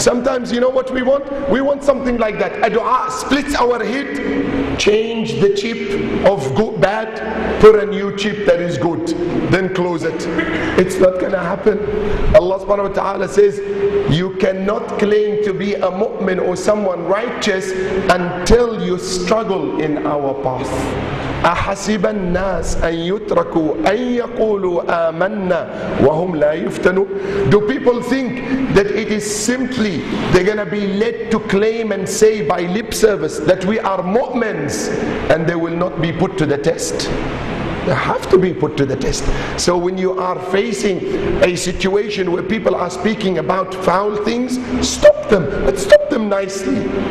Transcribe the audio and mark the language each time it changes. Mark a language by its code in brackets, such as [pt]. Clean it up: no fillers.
[en] Sometimes, you know what we want? We want something like that. A dua splits our head, change the chip of good, bad, put a new chip that is good, then close it. It's not gonna happen. Allah subhanahu wa ta'ala says, you cannot claim to be a mu'min or someone righteous until you struggle in our path. [ar] أحسب الناس أن يتركوا أن يقولوا آمنا وهم لا يفتنوا. [en] Do people think that it is simply they're gonna be led to claim and say by lip service that we are mu'mins and they will not be put to the test? They have to be put to the test. So when you are facing a situation where people are speaking about foul things, stop them, but stop them nicely.